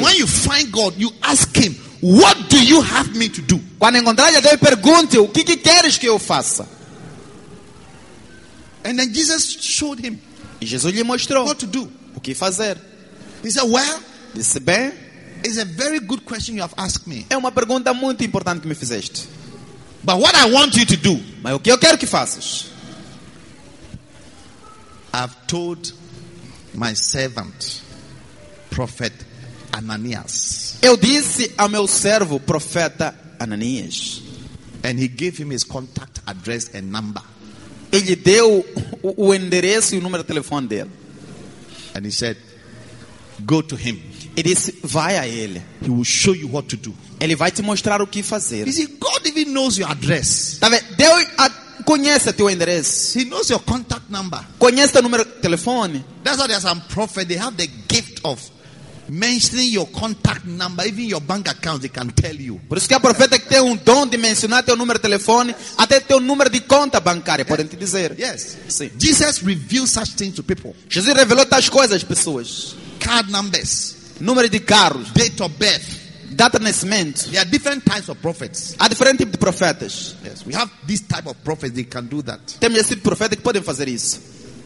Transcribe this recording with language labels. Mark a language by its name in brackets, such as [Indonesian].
[English] And when you find God, you ask Him, what do you have me to do? [Portuguese] Quando encontrar a Deus, pergunte, o que queres que eu faça? [English] And then Jesus showed him. [Portuguese] E Jesus lhe mostrou. [English] What to do. [Portuguese] O que fazer? [English] He said, well. [Portuguese] Disse, bem, [English] it's a very good question you have asked me. [Portuguese] É uma pergunta muito importante que me fizeste. [English] But what I want you to do, [Portuguese] mas o que eu quero que faças? [English] I've told my servant, prophet Ananias. [Portuguese] Eu disse ao meu servo, profeta Ananias. [English] And he gave him his contact address and number. [Portuguese] Ele deu o endereço e o número de telefone dele. [English] And he said, go to him. [Portuguese] Ele disse, vai a ele. [English] He will show you what to do. [Portuguese] Ele vai te mostrar o que fazer. [English] You see, God even knows your address. [Portuguese] Tá vendo? Deus conhece teu endereço. [English] He knows your contact number. [Portuguese] Conhece teu número de telefone. [English] That's why there's some prophet, they have the gift of mentioning your contact number, even your bank account, they can tell you. [Portuguese] Por isso que há profeta que tem um dom de mencionar teu número de telefone, até teu número de conta bancária, podem te dizer. [English] Yes. [Portuguese] Sim. [English] Jesus revealed such things to people. [Portuguese] Jesus revelou tais coisas às pessoas. [English] Card numbers. [Portuguese] Número de carros. [English] Date of birth. [Portuguese] Data de nascimento. [English] There are different types of prophets. [Portuguese] Há diferentes tipos de profetas. [English] Yes. We have this type of prophets, they can do that. [Portuguese] Temos esse tipo de profeta que podem fazer isso.